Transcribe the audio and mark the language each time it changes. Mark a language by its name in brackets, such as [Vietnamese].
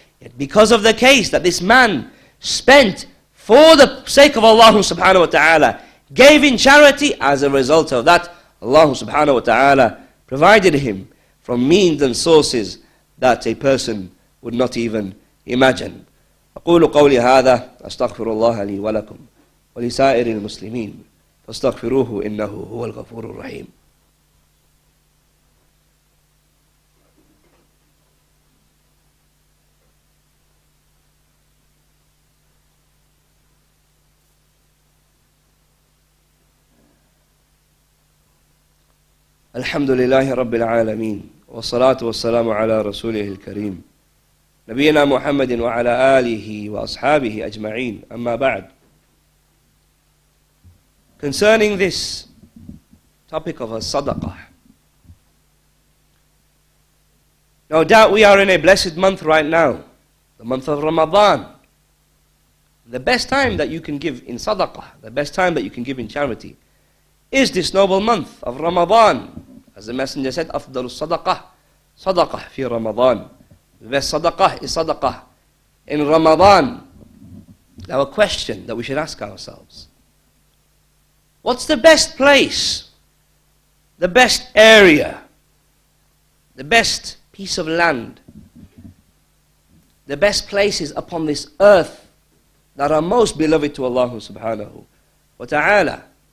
[English] Yet because of the case that this man spent for the sake of Allah subhanahu wa ta'ala, gave in charity, as a result of that, Allah subhanahu wa ta'ala provided him from means and sources that a person would not even imagine. [Arabic] أقول قولي هذا أستغفر الله لي ولكم ولسائر المسلمين فاستغفروه إنه هو الغفور الرحيم. الحمد لله رب العالمين والصلاة والسلام على رسوله الكريم نبينا محمد وعلى آله وأصحابه أجمعين أما بعد. [English] Concerning this topic of a sadaqah, no doubt we are in a blessed month right now, the month of Ramadan. The best time that you can give in sadaqah, the best time that you can give in charity, is this noble month of Ramadan. As the Messenger said, [Arabic] أفضل الصدقة صدقة في رمضان. [English] The best sadaqah is sadaqah in Ramadan. Now a question that we should ask ourselves: what's the best place, the best area, the best piece of land, the best places upon this earth that are most beloved to Allah subhanahu wa ta'ala?